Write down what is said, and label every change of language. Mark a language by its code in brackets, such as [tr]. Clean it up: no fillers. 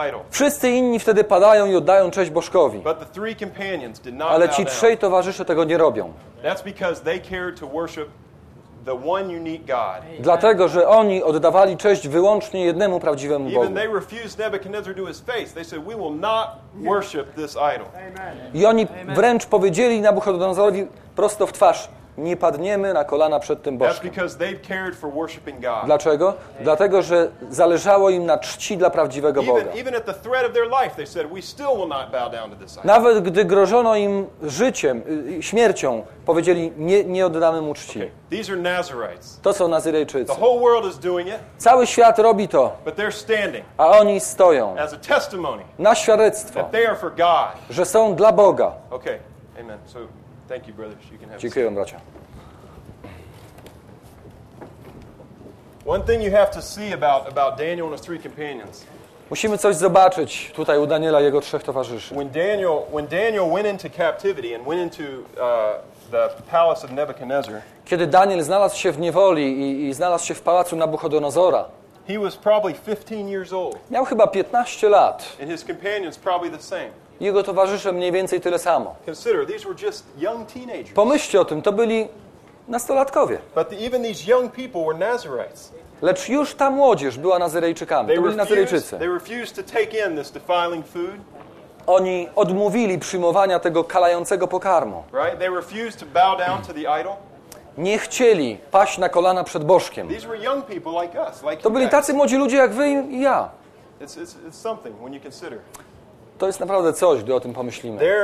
[pl] Wszyscy inni wtedy padają i oddają cześć bożkowi. Ale ci trzej towarzysze tego nie robią. [en] That's because they cared to worship the one unique God. [pl] Dlatego, że oni oddawali cześć wyłącznie jednemu prawdziwemu Bogu. [en] Even they refused Nebuchadnezzar to his face. They said, "We will not worship this idol." [pl] I oni wręcz powiedzieli Nabuchodonozorowi prosto w twarz: "Nie padniemy na kolana przed tym bożkiem." [en] That's because they cared for worshiping God. [pl] Dlaczego? Dlatego, że zależało im na czci dla prawdziwego Boga. [en] Even at the threat of their life, they said, "We still will not bow down to this idol." [pl] Nawet gdy grożono im życiem, śmiercią, powiedzieli: nie oddamy mu czci. [en] Okay. These are Nazirites. [pl] To są Nazyrejczycy. [en] The whole world is doing it. [pl] Cały świat robi to. [en] But they're standing. [pl] A oni stoją. [en] As a testimony. [pl] Na świadectwo. [en] That they are for God. [pl] Że są dla Boga. [en] Okay. Amen. So thank you, brothers. You can have. [pl] Dziękuję, bracia. [en] One thing you have to see about Daniel and his three companions. [pl] Musimy coś zobaczyć tutaj u Daniela i jego trzech towarzyszy. [en] When Daniel went into captivity and went into the palace of Nebuchadnezzar. [pl] Kiedy Daniel znalazł się w niewoli i znalazł się w pałacu Nabuchodonozora. [en] He was probably 15 years old. [pl] Miał chyba 15 lat. [en] And his companions probably the same. [pl] Jego towarzysze mniej więcej tyle samo. [en] Consider, these were just young teenagers. [pl] Pomyślcie o tym, to byli nastolatkowie. [en] Even these young people were Nazirites. [pl] Lecz już ta młodzież była Nazyrejczykami. To byli Nazyrejczycy. [en] They refused to take in this defiling food. [pl] Oni odmówili przyjmowania tego kalającego pokarmu. [en] Right? They refused to bow down to the idol. [pl] Nie chcieli paść na kolana przed bożkiem. [en] These were young people like us, like [pl] to byli tacy młodzi ludzie jak wy i ja. [en] It's something when you consider. [pl] To jest naprawdę coś, gdy o tym pomyślimy.